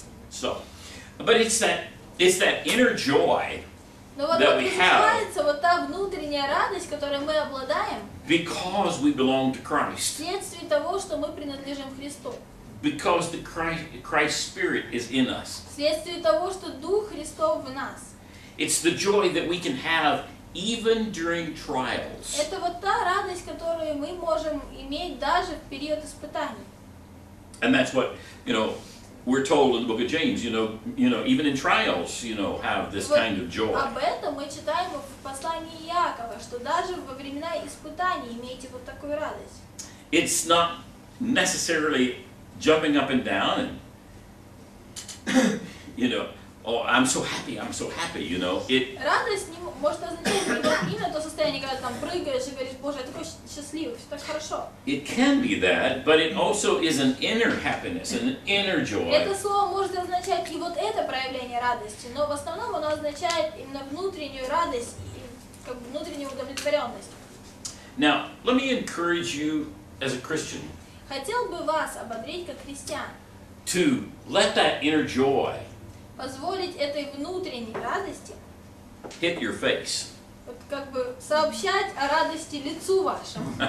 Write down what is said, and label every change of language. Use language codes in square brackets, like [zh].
[en] So, but it's that inner joy that we have. [ru] Но вот та внутренняя радость, которой мы обладаем. [en] Because we belong to Christ. [ru] Вследствие того, что мы принадлежим Христу. [en] Because the Christ Spirit is in us. [ru] Вследствие того, что Дух Христов в нас. [en] It's the joy that we can have even during trials. [ru] Это вот та радость, которую мы можем иметь даже в период испытаний. [en] And that's what, you know, we're told in the book of James, you know, even in trials, you know, have this kind of joy. [ru] Об этом мы читаем в послании Иакова, что даже во времена испытаний имейте вот такую радость. [en] It's not necessarily jumping up and down and, you know, oh, I'm so happy, you know. [ru] Радость не может означать именно то состояние, когда там прыгаешь и говоришь, Боже, я такой счастливый, все так хорошо. [en] It can be that, but it also is an inner happiness, an inner joy. [ru] Это слово может означать и вот это проявление радости, но в основном оно означает именно внутреннюю радость, как внутреннюю удовлетворенность. [en] Now, let me encourage you as a Christian. [ru] Хотел бы вас ободрить как христиан. [en] To let that inner joy [ru] позволить этой внутренней радости [en] hit your face. [ru] Вот как бы сообщать о радости лицу вашему.